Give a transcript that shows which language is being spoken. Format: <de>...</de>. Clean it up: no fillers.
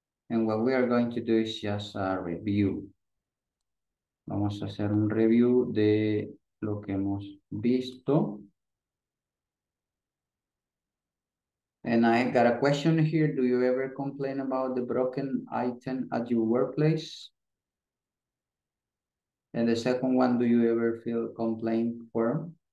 <en>And what we are going to do is just a review.</en> <es>Vamos a hacer un review de lo que hemos visto.</es> <en>And I got a question here. Do you ever complain about the broken item at your workplace? And the second one, do you ever feel complaint for?</en>